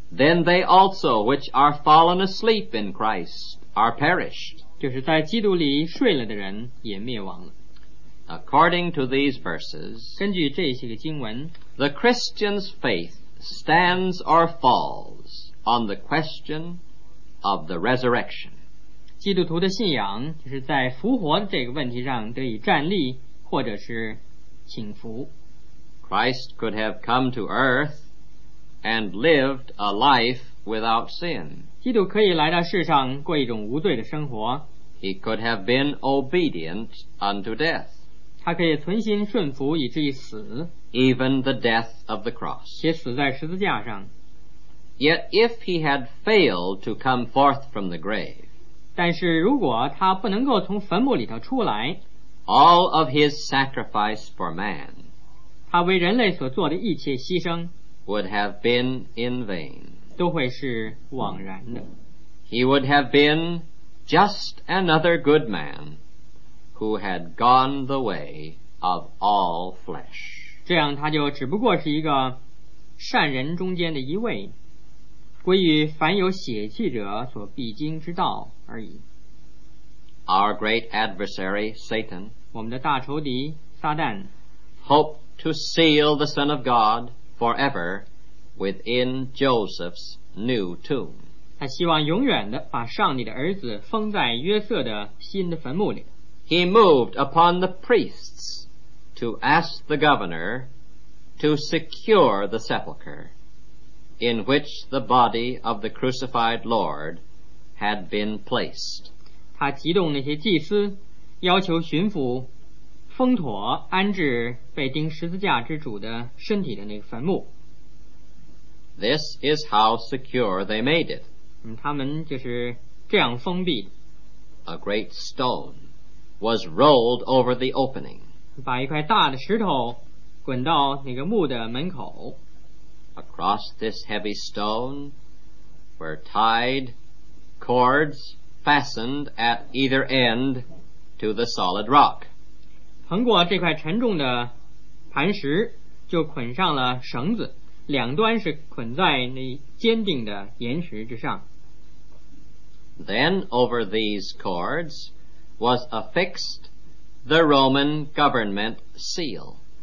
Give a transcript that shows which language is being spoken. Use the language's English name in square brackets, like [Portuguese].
[English] Then they also which are fallen asleep in Christ are perished, [Chinese] 就是在基督里睡了的人也灭亡了。 [English] According to these verses, [Chinese] 根据这些个经文, [English] the Christian's faith stands or falls on the question of the resurrection. [Chinese] 基督徒的信仰就是在复活的这个问题上得以站立或者是请服。 [English] Christ could have come to earth and lived a life without sin. [Chinese] 基督可以来到世上过一种无罪的生活。 [English] He could have been obedient unto death. [Chinese] 他可以存心顺服以至于死， [English] Even the death of the cross， [Chinese] 且死在十字架上。 [English] Yet if he had failed to come forth from the grave， [Chinese] 但是如果他不能够从坟墓里头出来， [English] All of his sacrifice for man， [Chinese] 他为人类所做的一切牺牲， [English] Would have been in vain， [Chinese] 都会是枉然的。 [English] He would have been just another good man who had gone the way of all flesh. [Chinese] 这样他就只不过是一个善人中间的一位，归于凡有血气者所必经之道而已。 [English] Our great adversary Satan, [Chinese] 我们的大仇敌撒旦, [English] hoped to seal the Son of God forever within Joseph's new tomb. [Chinese] 他希望永远地把上帝的儿子封在约瑟的新的坟墓里。 [English] He moved upon the priests to ask the governor to secure the sepulchre in which the body of the crucified Lord had been placed. [Chinese] 他激动那些祭司，要求巡抚封妥安置被钉十字架之主的身体的那个坟墓。 [English] This is how secure they made it. [Chinese] 他们就是这样封闭的。 [English] A great stone. Was rolled over the opening. [Chinese] 把一块大的石头滚到那个墓的门口。 [English] Across this heavy stone were tied, cords fastened at either end to the solid rock. [Chinese] 横过这块沉重的磐石就捆上了绳子，两端是捆在那坚定的岩石之上。 [English] Then over these cords was affixed the Roman government seal.